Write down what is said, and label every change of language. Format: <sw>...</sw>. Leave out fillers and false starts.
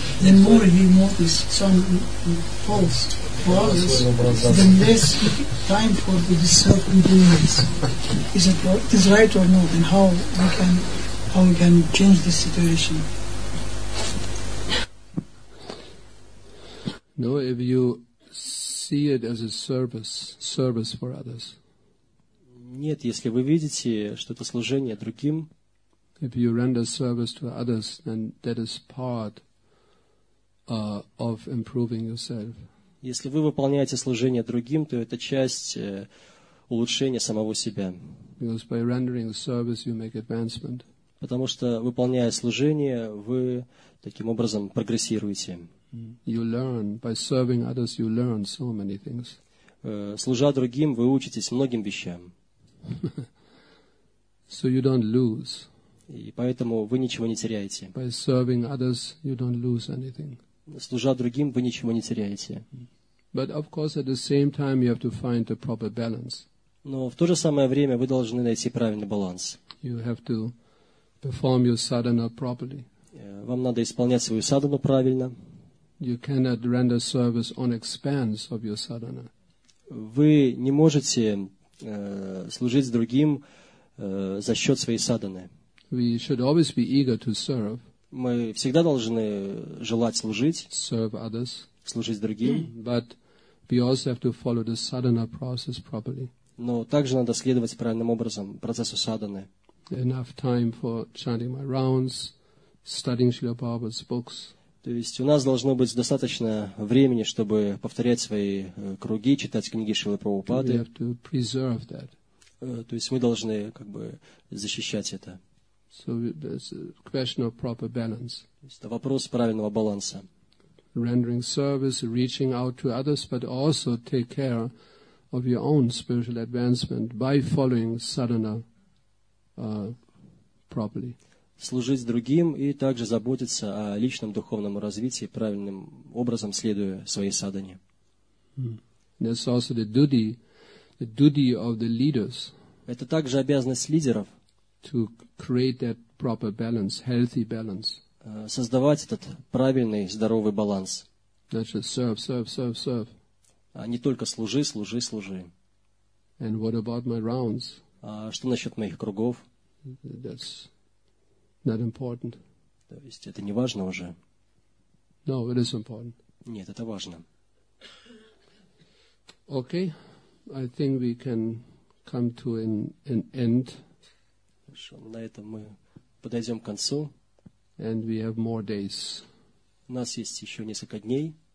<en>The more he notices some faults for others, the less time for the self-improvement. Is it right or not? And how we can change this situation? No, if you see it as a service for others.</en> <ru>Нет, если вы видите, что это служение другим.</ru> <en>If you render service to others, then that is part of improving yourself.</en> <ru>Если вы выполняете служение другим, то это часть улучшения самого себя.</ru> <en>Because by rendering service, you make advancement.</en> <ru>Потому что выполняя служение, вы таким образом прогрессируете.</ru> <en>You learn by serving others. You learn so many things.</en> <ru>Служа другим, вы учитесь многим вещам.</ru> <en>So you don't lose.</en> <ru>И поэтому вы ничего не теряете.</ru> <en>By serving others, you don't lose anything.</en> <ru>Служа другим, вы ничего не теряете.</ru> <en>But of course, at the same time, you have to find the proper balance.</en> <ru>Но в то же самое время вы должны найти правильный баланс.</ru> <en>You have to perform your sadhana properly.</en> <ru>Вам надо исполнять свою садхану правильно.</ru> <en>You cannot render service on expense of your sadhana.</en> <ru>Вы не можете служить другим за счет своей садханы.</ru> <en>We should always be eager to serve.</en> <ru>Мы всегда должны желать служить.</ru> <en>Serve others.</en> <ru>Служить другим.</ru> <en>But we also have to follow the sadhana process properly.</en> <ru>Но также надо следовать правильным образом процессу садханы.</ru> <en>Enough time for chanting my rounds, studying Srila Prabhupada's books.</en> <ru>То есть у нас должно быть достаточно времени, чтобы повторять свои круги, читать книги Шрилы Прабхупады.</ru> <en>To preserve that.</en> <ru>То есть мы должны как бы защищать это.</ru> <en>So there's a question of proper balance.</en> <ru>То есть это вопрос правильного баланса.</ru> <en>Rendering service, reaching out to others, but also take care of your own spiritual advancement by following sadhana properly.</en> <ru>Служить другим и также заботиться о личном духовном развитии, правильным образом следуя своей садхане.</ru> <en>That's also the duty of the leaders.</en> <ru>Это также обязанность лидеров.</ru> <en>To create that proper balance, healthy balance.</en> <ru>Создавать этот правильный, здоровый баланс.</ru> <en>Not just serve.</en> <ru>А не только служи.</ru> <en>And what about my rounds?</en> <ru>А что насчет моих кругов?</ru> <en>That's not important.</en> <ru>То есть это не важно уже.</ru> <en>No, it is important.</en> <ru>Нет, это важно.</ru> <en>Okay, I think we can come to an end.</en> <ru>Хорошо, на этом мы подойдем к концу.</ru> <en>And we have more days.</en> <ru>У нас есть еще несколько дней.</ru>